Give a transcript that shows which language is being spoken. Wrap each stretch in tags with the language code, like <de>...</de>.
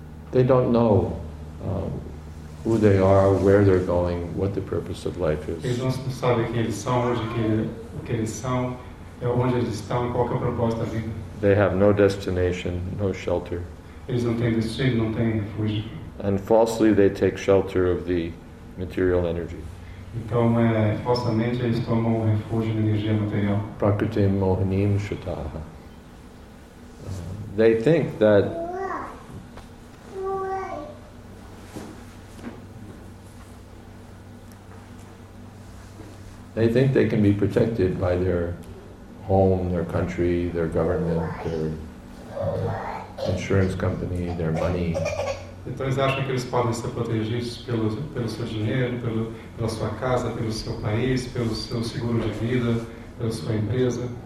<en>They don't know who they are, where they're going, what the purpose of life is.</en> <pt>Eles não sabem quem eles são, o que eles são. É onde eles estão, qual que é a proposta da vida.</pt> <en>They have no destination, no shelter.</en> <pt>Eles não têm destino, não têm refúgio.</pt> <en>And falsely they take shelter of the material energy.</en> <pt>Então, falsamente eles tomam refúgio na energia material.</pt> <sa>Prakritim mohanim shataha.</sa> <en>They think that they can be protected by their home, their country, their government, their insurance company, their money.</en> <pt>Então eles acham que eles podem ser protegidos pelo seu dinheiro, pela sua casa, pelo seu país, pelo seu seguro de vida, pela sua empresa.</pt>